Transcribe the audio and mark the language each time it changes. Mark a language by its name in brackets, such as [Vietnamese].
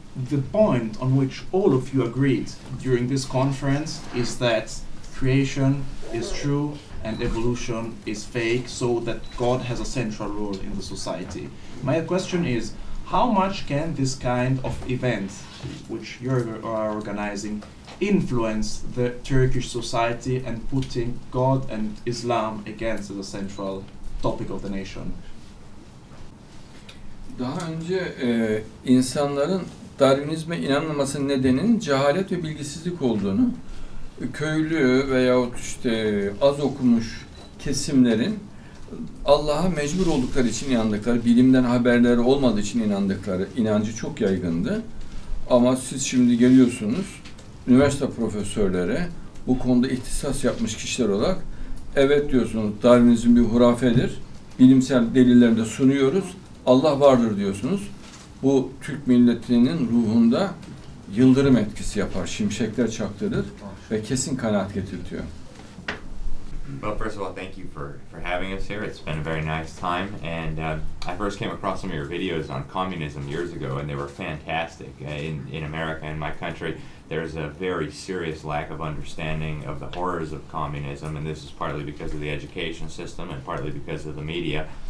[English] The point on which all of you agreed during this conference is that creation is true and evolution is fake, so that God has a central role in the society. My question is, how much can this kind of event, which you are organizing, influence the Turkish society and putting God and Islam against the central topic of the nation? [Turkish] Daha önce insanların Darwinizme inanmamasının nedeninin cehalet ve bilgisizlik olduğunu, köylü veyahut işte az okumuş kesimlerin Allah'a mecbur oldukları için inandıkları, bilimden haberleri olmadığı için inandıkları inancı çok yaygındı. Ama siz şimdi geliyorsunuz, üniversite profesörlere bu konuda ihtisas yapmış kişiler olarak evet diyorsunuz, Darwinizm bir hurafedir, bilimsel delilleri de sunuyoruz, Allah vardır diyorsunuz. Bu Türk milletinin ruhunda yıldırım etkisi yapar, şimşekler çaktırır ve kesin kanaat getirtiyor. [English] Well, first of all, thank you for having us here. It's been a very nice time. And I first came across some of your videos on communism years ago, and they were fantastic. In America, in my country, there's a very serious lack of understanding of the horrors of communism, and this is partly because of the education system and partly because of the media.